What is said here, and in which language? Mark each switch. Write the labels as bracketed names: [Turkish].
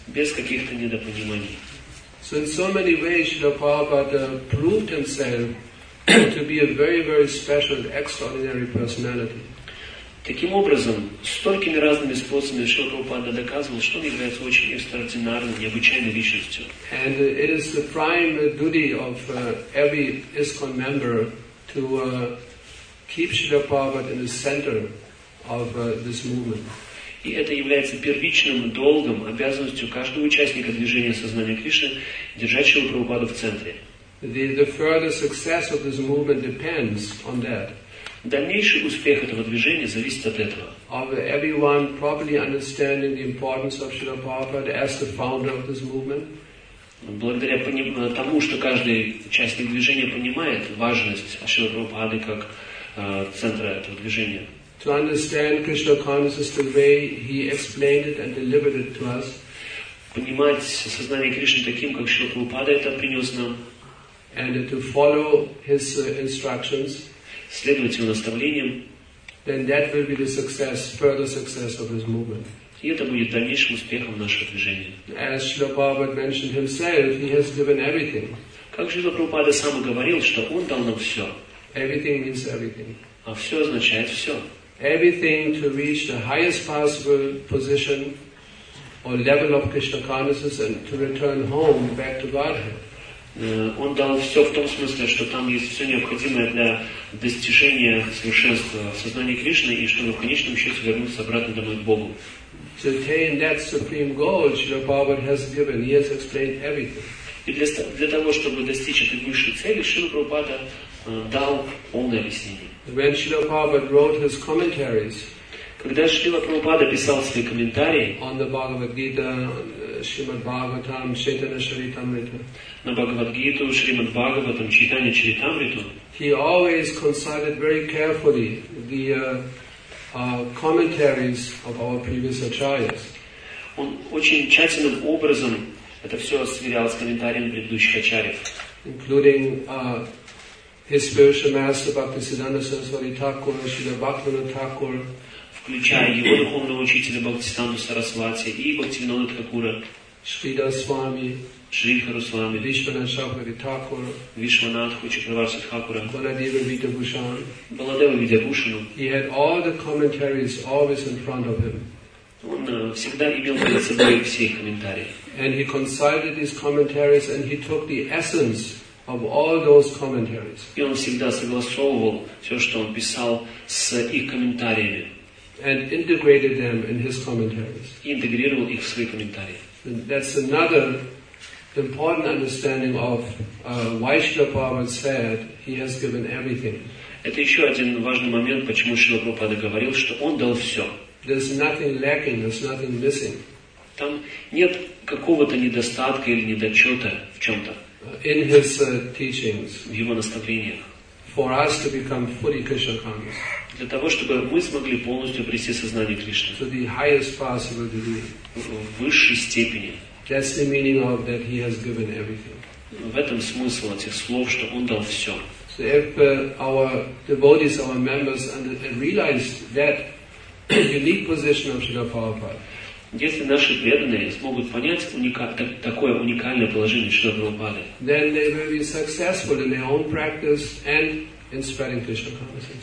[Russian] Без каких-то недопониманий. [English] So in so many ways Шрила Прабхупада proved himself to be a very, very special, extraordinary personality. [Russian] Таким образом, столькими разными способами Шрила Прабхупада доказывал, что он является очень экстраординарной, необычайной личностью. [English] And it is the prime duty of every ISKCON member to keep Srila Prabhupada in the center of this movement. [Russian] И это является первичным долгом, обязанностью каждого участника движения сознания Кришны держать Шрила Прабхупада в центре. [English] The further success of this movement depends on that. [Russian] Дальнейший успех этого движения зависит от этого. [English] Of everyone properly understanding the importance of Srila Prabhupada as the founder of this movement. [Russian] Благодаря тому, что каждый участник движения понимает важность Шрила Прабхупады как центра этого движения. [English] To understand Krishna consciousness the way he explained it and delivered it to us. [Russian] Понимать сознание Кришны таким, как Шрила Прабхупада это принес нам. [English] And to follow his instructions. [Russian] Следовать его наставлениям, [English] then that will be the success, further success of his movement. [Russian] И это будет дальнейшим успехом нашего движения. [English] As Srila Prabhupada mentioned himself, he has given everything. [Russian] Как Шрила Прабхупада сам говорил, что он дал нам все. [English] Everything means everything. [Russian] А все означает все. [English] Everything to reach the highest possible position or level of Krishna consciousness and to return home back to Godhead. [Russian] Он дал все в том смысле, что там есть все необходимое для достижения совершенства в сознании Кришны и чтобы в конечном счете вернуться обратно домой к Богу. [English] To attain that supreme goal, Srila Prabhupada has given, he has explained everything. [Russian] И для того, чтобы достичь этой высшей цели, Шрила Прабхупада дал полное объяснение. [English] When Srila Prabhupada wrote his commentaries, [Russian] когда Шрила Прабхупада писал свои комментарии [English] on the Bhagavad Gita, Shrimad Bhagavatam, Chaitanya Charitamrita, [Russian] на Бхагавад-гиту, Шримад Бхагаватам, Чайтанья Чаритамриту. [English] He always consulted very carefully the commentaries of our previous acharyas. [Russian] Он очень тщательным образом это все сверял с комментариями предыдущих ачарьев. [English] Including his spiritual master Bhaktisiddhanta Saraswati Thakur, Srila Bhaktivinoda Thakur. [Russian] Включая его духовного учителя Бхактисиддханту Сарасвати и Бхактивинода Такура. Шрида Свами. Шри Харусвами, Вишванатхакури Такур, Вишванатху Чакраварсу Такура, Баладева Видябушану. Баладева Видябушану. [English] He had all the commentaries always in front of him. [Russian] Он всегда имел перед собой все комментарии. [English] And he consulted these commentaries and he took the essence of all those commentaries. [Russian] И он всегда согласовывал все, что он писал, с их комментариями. [English] And integrated them in his commentaries. [Russian] И интегрировал их в свои комментарии. [English] That's another important understanding of why Srila Prabhupada said he has given everything. [Russian] Это еще один важный момент, почему Шрила Прабхупада говорил, что он дал все. [English] There's nothing lacking, there's nothing missing. [Russian] Там нет какого-то недостатка или недочета в чем-то. [English] In his teachings. [Russian] В его наставлениях. [English] For us to become fully Krishna conscious. [Russian] Для того, чтобы мы смогли полностью обрести сознание Кришны. [English] To the highest possible degree. [Russian] В высшей степени. [English] That's the meaning of that he has given everything. [Russian] В этом смысл этих слов, что он дал все. [English] So if our devotees, our members, and realized that unique position of Srila Prabhupada, [Russian] Если наши преданные смогут понять такое уникальное положение Шрилы Прабхупады, [English] then they will be successful in their own practice and in spreading Krishna consciousness.